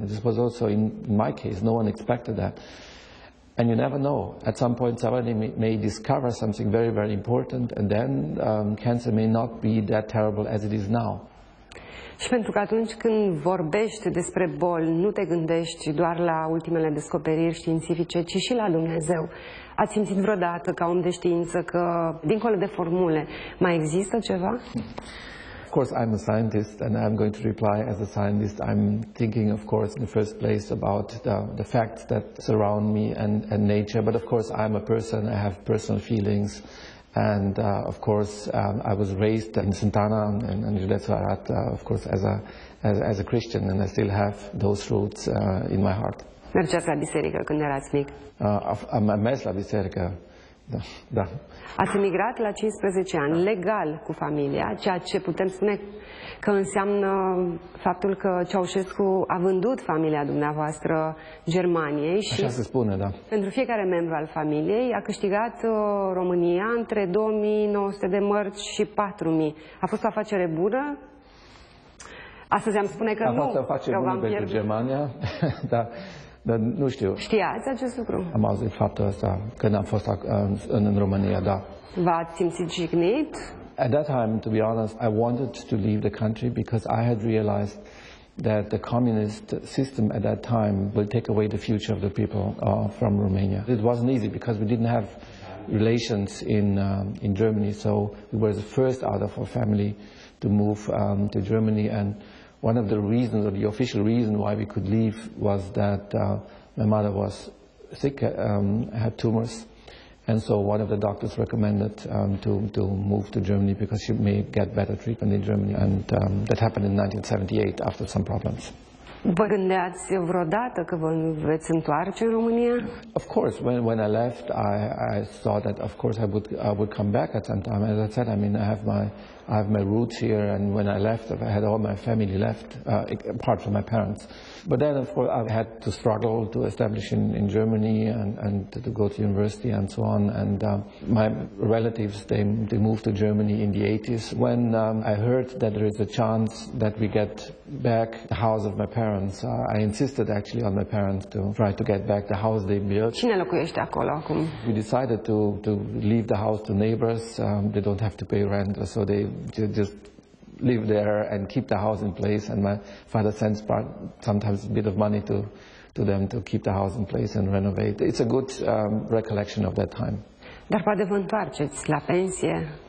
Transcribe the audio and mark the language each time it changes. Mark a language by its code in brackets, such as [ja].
[en] This was also in my case, no one expected that. And you never know. At some point somebody may discover something very, very important, and then cancer may not be that terrible as it is now. [ro] Și pentru că atunci când vorbești despre boli, nu te gândești doar la ultimele descoperiri științifice, ci și la Dumnezeu. Ați simțit vreodată, ca om de știință, că, dincolo de formule, mai există ceva? [en] Of course, I'm a scientist, and I'm going to reply as a scientist. I'm thinking, of course, in the first place about the facts that surround me and nature. But, of course, I'm a person, I have personal feelings. And of course, I was raised in Santana and in Arad, of course, as a Christian, and I still have those roots in my heart. [ro] Mergeați la biserică când erați mic? Am mers la biserică, da. Ați emigrat la 15 ani, legal, cu familia, ceea ce putem spune că înseamnă faptul că Ceaușescu a vândut familia dumneavoastră Germaniei. Și așa se spune, da. Pentru fiecare membru al familiei a câștigat România între 2900 de mărci și 4000. A fost o afacere bună? Astăzi am spune că a fost o afacere bună pentru Germania, da. Dar nu știu. Știați acest lucru? Am auzit faptul ăsta când am fost în România, da. V-ați simțit jignit? [en] At that time, to be honest, I wanted to leave the country because I had realized that the communist system at that time will take away the future of the people from Romania. It wasn't easy because we didn't have relations in Germany, so we were the first out of our family to move to Germany, and one of the reasons, or the official reason why we could leave, was that my mother was sick, had tumors, and so one of the doctors recommended to move to Germany because she may get better treatment in Germany, and that happened in 1978 after some problems. [ro] Vă gândeați vreodată că vă veți întoarce în România? [en] Of course, when I left, I thought that of course I would come back at some time. As I said, I mean, I have my roots here, and when I left, I had all my family left, apart from my parents. But then, of course, I had to struggle to establish in Germany and to go to university and so on. And my relatives, they moved to Germany in the 80s. When I heard that there is a chance that we get back the house of my parents, I insisted actually on my parents to try to get back the house they built. [ro] Cine locuiește acolo acum? [en] We decided to leave the house to neighbors. They don't have to pay rent, so they just live there and keep the house in place, and my father sends part sometimes a bit of money to them to keep the house in place and renovate. It's a good recollection of that time. [ro] Dar poate vă întoarceți la pensie.